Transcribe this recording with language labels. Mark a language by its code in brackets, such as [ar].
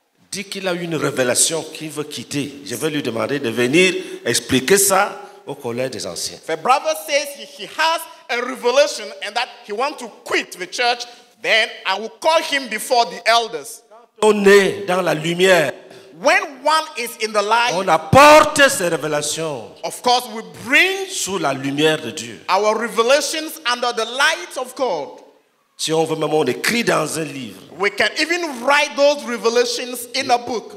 [fr] Dit qu'il a une révélation qu'il veut quitter. Je vais lui demander de venir expliquer ça. Au collège des anciens. [en] If a brother says he has a revelation and that he wants to quit the church, then I will call him before the elders. [fr] On est dans la lumière. [en] When one is in the light, [fr] on apporte ses révélations. [en] Of course, we bring [fr] sous la lumière de Dieu. [en] Our revelations under the light of God. [fr] Si on veut même, on écrit dans un livre. [en] We can even write those revelations in a book.